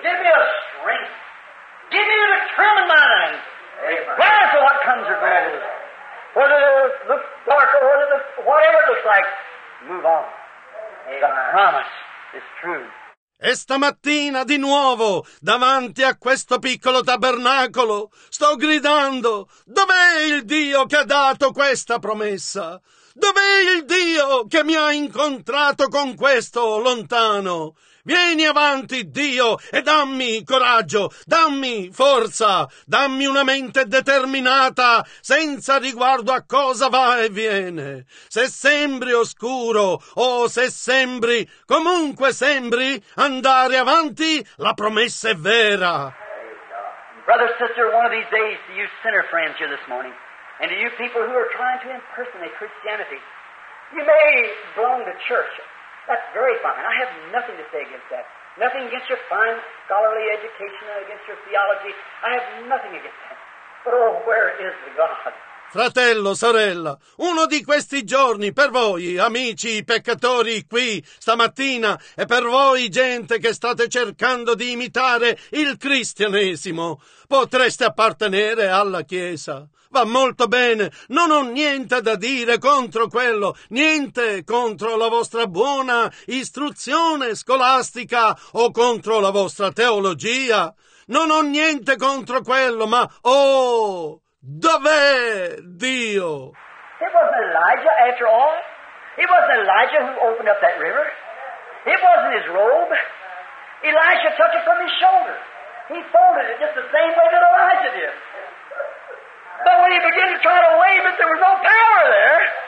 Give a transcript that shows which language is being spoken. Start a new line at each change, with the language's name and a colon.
English: Give me a strength. Give me a determined mind. Regardless of what comes or goes, whether it looks dark or whatever it looks like, move on. Amen. The promise is true.
Italian: E stamattina di nuovo, davanti a questo piccolo tabernacolo, sto gridando: dov'è il Dio che ha dato questa promessa? Dov'è il Dio che mi ha incontrato con questo lontano? Vieni avanti, Dio, e dammi coraggio, dammi forza, dammi una mente determinata, senza riguardo a cosa va e viene. Se sembri oscuro, o se sembri, comunque sembri, andare avanti, la promessa è vera.
English: Brother, sister, one of these days to you sinner friends here this morning, and to you people who are trying to impersonate Christianity, you may belong to church. That's very fine. I have nothing to say against that. Nothing against your fine scholarly education, against your theology. I have nothing against that. But oh, where is the God?
Italian: Fratello, sorella, uno di questi giorni per voi, amici peccatori qui stamattina, e per voi gente che state cercando di imitare il cristianesimo, potreste appartenere alla Chiesa. Va molto bene, non ho niente da dire contro quello, niente contro la vostra buona istruzione scolastica o contro la vostra teologia. Non ho niente contro quello, ma oh... dov'è Dio?
English: It wasn't Elijah, after all. It wasn't Elijah who opened up that river. It wasn't his robe. Elisha took it from his shoulder. He folded it just the same way that Elijah did. But when he began to try to wave it, there was no power there.